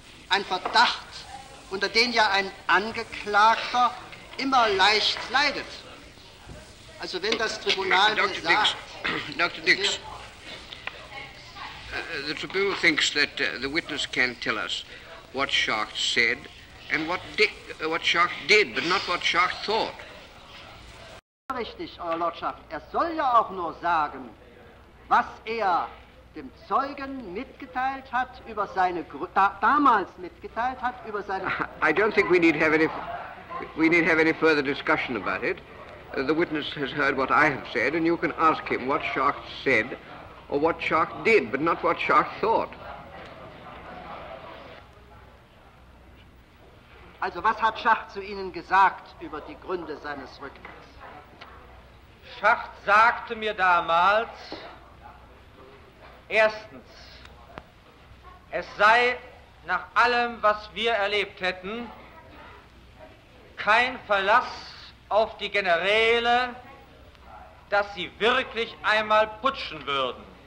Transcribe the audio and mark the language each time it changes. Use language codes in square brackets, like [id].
[de] Ein Verdacht, unter den ja ein Angeklagter immer leicht leidet. Also wenn das Tribunal mir sagt... [en] Dr. Dix, the Tribunal thinks that the witness can tell us what Schacht said and what Schacht did, but not what Schacht thought. [de] Richtig, Euer Lordschaft. Er soll ja auch nur sagen, was er dem Zeugen mitgeteilt hat über seine damals mitgeteilt hat über seine. [en] I don't think we need have any further discussion about it. The witness has heard what I have said, and you can ask him what Schacht said or what Schacht did, but not what Schacht thought. [de] Also, was hat Schacht zu Ihnen gesagt über die Gründe seines Rücktritts? Schacht sagte mir damals, erstens, es sei nach allem, was wir erlebt hätten, kein Verlass auf die Generäle, dass sie wirklich einmal putschen würden.